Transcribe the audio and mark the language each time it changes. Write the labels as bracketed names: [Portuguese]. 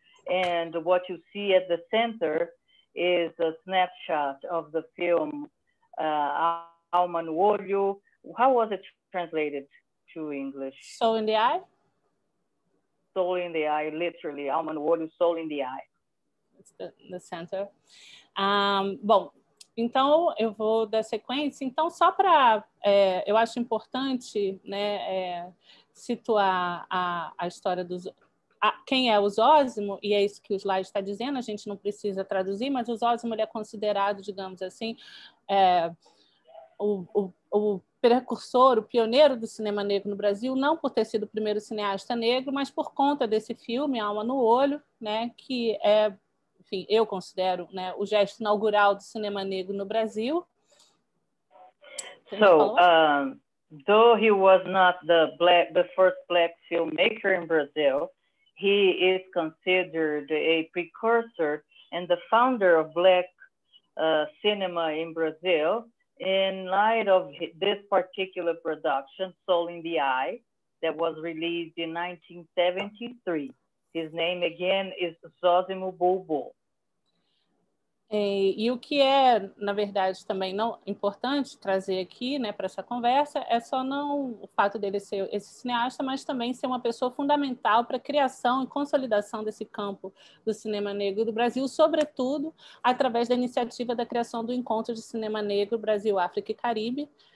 [English] And what you see at the center is a snapshot of the film, Alma no Olho. How was it translated to English? Soul in the Eye? Soul in the Eye, literally, Alma no Olho, Soul in the Eye. The center. [Portuguese] Bom, então eu vou dar sequência. Então, só para, eu acho importante, né, situar a história dos, quem é o Zozimo, e é isso que o slide está dizendo, a gente não precisa traduzir, mas o Zozimo, ele é considerado, digamos assim, o precursor, o pioneiro do cinema negro no Brasil, não por ter sido o primeiro cineasta negro, mas por conta desse filme, Alma no Olho, né, que é, enfim, eu considero, né, o gesto inaugural do cinema negro no Brasil. [English] So, though he was not the first black filmmaker in Brazil, he is considered a precursor and the founder of black cinema in Brazil in light of this particular production, Soul in the Eye, that was released in 1973. His name again is Zozimo Bulbul. [Portuguese] E o que é, na verdade, também não, importante trazer aqui, né, para essa conversa, é só não o fato dele ser esse cineasta, mas também ser uma pessoa fundamental para a criação e consolidação desse campo do cinema negro do Brasil, sobretudo através da iniciativa da criação do Encontro de Cinema Negro Brasil, África e Caribe.